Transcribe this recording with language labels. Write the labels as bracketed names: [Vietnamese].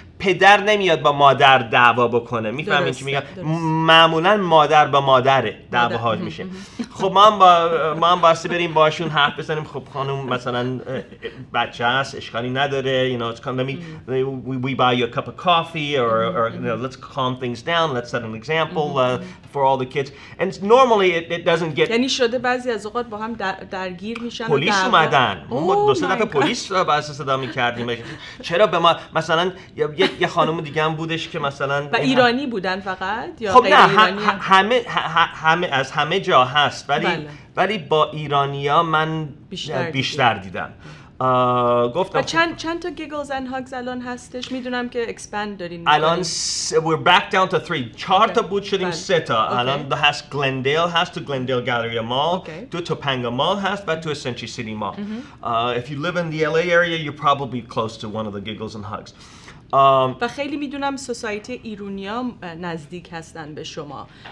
[Persian] پدر نمیاد با مادر دعوا بکنه. میفهمین چی میگم؟ معمولا مادر با مادره دعواها میشه. خب ما هم واسه بریم باشون حرف بزنیم. خب خانم مثلا بچه هست اشکالی نداره. [English] You know, it's kind of we buy you a cup of coffee or you know, let's calm things down, let's set an example for all the kids. And normally it doesn't get [Persian] یعنی شده بعضی از اوقات با هم درگیر میشن. پلیس اومدن. ما دو سه دفعه پلیس رو باز صدا میکردیم. چرا به ما مثلا یه خانم دیگه هم بودش که مثلا و ایرانی بودن فقط یا خب غیر ایرانی؟ همه از همه جا هست ولی با ایرانی ها من بیشتر دیدم. گفتم چند تا گیگلز اند هاگز الان هستش؟ میدونم که اکسپاند دارین الان. [English] we're back down to 3. [Persian] 4 تا بود شدیم 3 تا الان. دو هست گلندیل هست تو گلندیل گالری مال. دو تا پنگا مال هست و تو اسنچی سیتی مال. [English] If you live in the LA area you're probably close to one of the giggles and hugs. [Persian] و خیلی میدونم سوسایتی ایرونیا نزدیک هستن به شما.